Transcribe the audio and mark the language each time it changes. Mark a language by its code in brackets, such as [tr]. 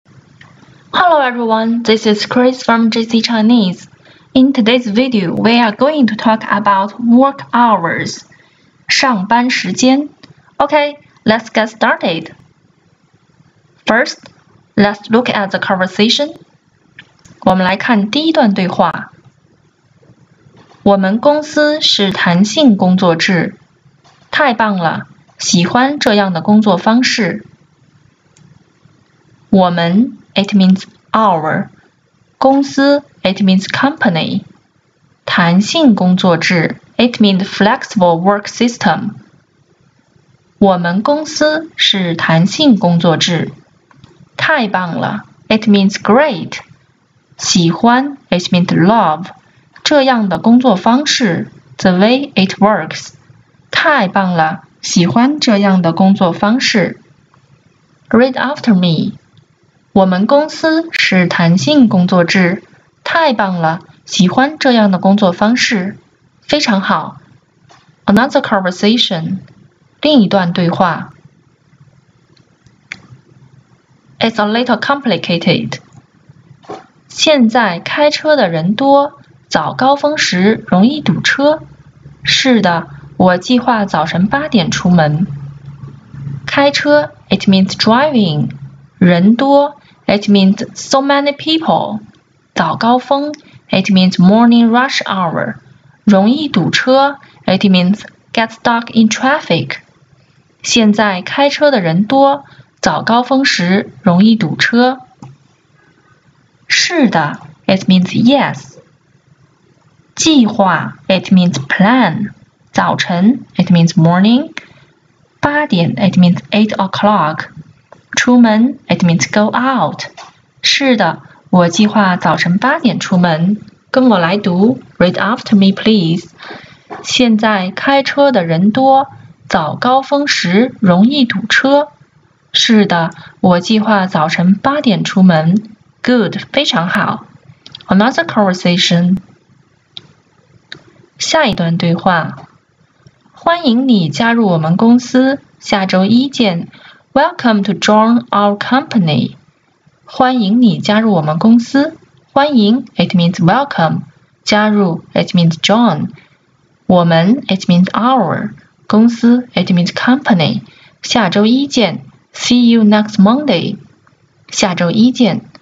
[en] Hello everyone, this is Chris from JC Chinese. In today's video, we are going to talk about work hours, [zh] 上班时间. [en] Okay, let's get started. First, let's look at the conversation. [zh] 我们来看第一段对话。我们公司是弹性工作制。太棒了，喜欢这样的工作方式。 [en] 我们It means our. 公司 it means company. 弹性工作制 it means flexible work system. [zh] 我们公司是弹性工作制。 [en] 太棒了 it means great. 喜欢 it means love. 这样的工作方式 the way it works. [zh] 太棒了喜欢这样的工作方式。 [en] Read after me. [zh] 我们公司是弹性工作制，太棒了，喜欢这样的工作方式，非常好。 [en] Another conversation, [zh] 另一段对话。 [en] It's a little complicated. [zh] 现在开车的人多，早高峰时容易堵车。是的，我计划早晨八点出门。 [en] 开车 it means driving, 人多It means so many people. 早高峰 it means morning rush hour. 容易堵车 it means get stuck in traffic. [zh] 现在开车的人多早高峰时容易堵车。 [en] 是的 it means yes. 计划 it means plan. 早晨 it means morning. 八点 it means 8 o'clock. 出门 it means go out. [zh] 是的，我计划早晨八点出门。跟我来读 [en] ，read after me please. [zh] 现在开车的人多，早高峰时容易堵车。是的，我计划早晨八点出门。 [en] Good， [zh] 非常好。 [en] Another conversation. [zh] 下一段对话。欢迎你加入我们公司，下周一见。 [en] Welcome to join our company. [zh] 欢迎你加入我们公司。 [en] 欢迎 it means welcome. 加入 it means join. 我们 it means our. 公司 it means company. [zh] 下周一见。 [en] See you next Monday. [zh] 下周一见。